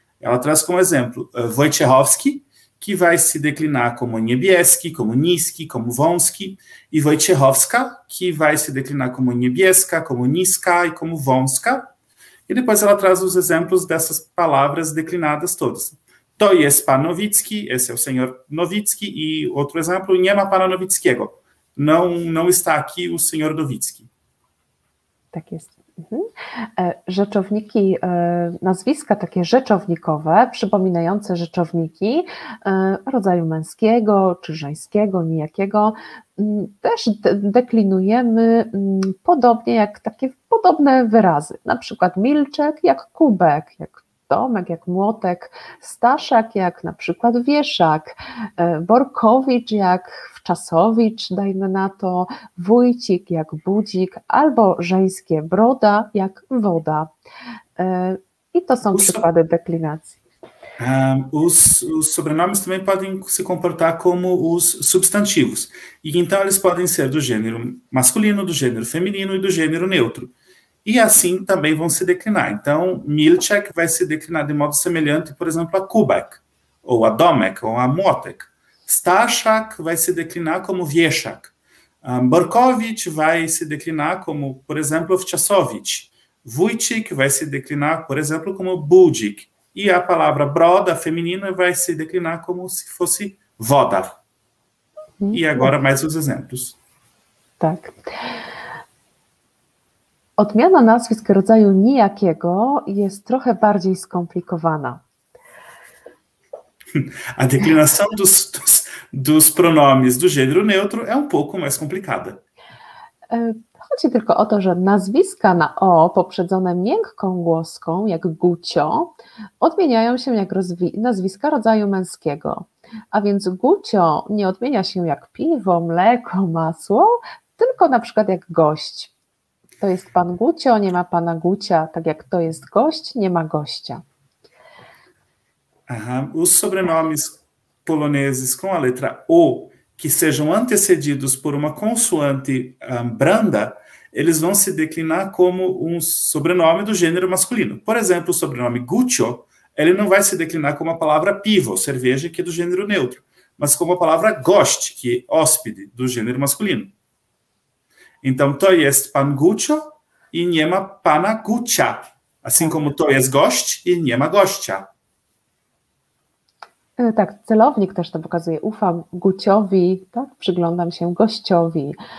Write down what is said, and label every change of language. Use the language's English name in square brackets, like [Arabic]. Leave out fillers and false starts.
[Portuguese] Ela traz como exemplo Wojciechowski, que vai se declinar como Niebieski, como Niski, como Wąski, e Wojciechowska, que vai se declinar como Niebieska, como Niska e como Wąska. E depois ela traz os exemplos dessas palavras declinadas todas. [Polish] To jest pan Nowicki, [Portuguese] esse é o senhor Nowicki, e outro exemplo, [Polish] nie ma pana Nowickiego. [Portuguese] Não está aqui o senhor Nowicki. [Polish] Tak jest. Rzeczowniki, nazwiska takie rzeczownikowe, przypominające rzeczowniki rodzaju męskiego czy żeńskiego, nijakiego, też deklinujemy podobnie jak takie podobne wyrazy, na przykład milczek jak kubek, jak domek, jak młotek, staszak jak na przykład wieszak, borkowicz jak wczasowicz, dajmy na to, wójcik jak budzik, albo żeńskie broda jak woda. I to są przykłady deklinacji. [Portuguese] Os sobrenomes também podem se comportar como os substantivos. E então eles podem ser do gênero masculino, do gênero feminino e do gênero neutro. E assim também vão se declinar. Então, Milchek vai se declinar de modo semelhante, por exemplo, a Kubek, ou a Domek, ou a Motek. Staszak vai se declinar como Wieszak. Borkowicz vai se declinar como, por exemplo, Wczasowicz. Wójcik vai se declinar, por exemplo, como Budzik. E a palavra broda, feminina, vai se declinar como se fosse woda. E agora mais os exemplos. Tá. [Polish] Odmiana nazwisk rodzaju nijakiego jest trochę bardziej skomplikowana. [Portuguese] A declinação dos pronomes do gênero neutro é pouco mais complicada. [Polish] Chodzi tylko o to, że nazwiska na o poprzedzone miękką głoską, jak Gucio, odmieniają się jak nazwiska rodzaju męskiego. A więc Gucio nie odmienia się jak piwo, mleko, masło, tylko na przykład jak gość. To jest pan Gucio, nie ma pana Gucia, tak jak to jest gość, nie ma gościa. [Portuguese] Os sobrenomes poloneses com a letra O, que sejam antecedidos por uma consoante branda, eles vão se declinar como sobrenome do gênero masculino. Por exemplo, o sobrenome Gucio, ele não vai se declinar como a palavra pivo, cerveja, que é do gênero neutro, mas como a palavra gość, que é hóspede, do gênero masculino. [Polish] Então, to jest pan Gucio i nie ma pana Gucia. [Portuguese] Assim como [Polish] to jest gość i nie ma gościa. Tak, celownik też to pokazuje. Ufam Guciowi, tak? Przyglądam się gościowi.